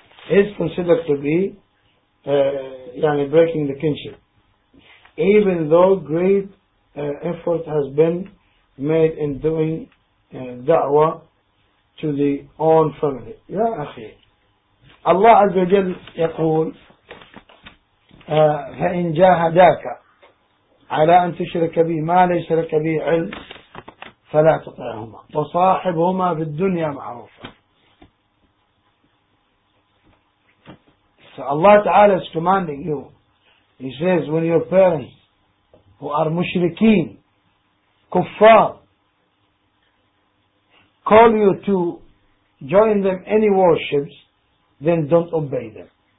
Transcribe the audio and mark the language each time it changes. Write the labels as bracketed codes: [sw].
[en] Is considered to be breaking the kinship. Even though great effort has been made in doing da'wah to the own family. [ar] Ya akhi. Allah Azza wa Jal yaqul فَإِنْ جَاهَدَاكَ عَلَىٰ أَنْ تُشْرَكَ بِهِ مَا لَيْسَ لَكَ بِهِ عِلْمٍ فَلَا تُطِعْهُمَا وَصَاحِبْهُمَا فِي الدُّنْيَا مَعْرُوفًا. [en] So Allah Ta'ala is commanding you. He says, when your parents who are mushrikeen, kuffar, call you to join them any worships, then don't obey them.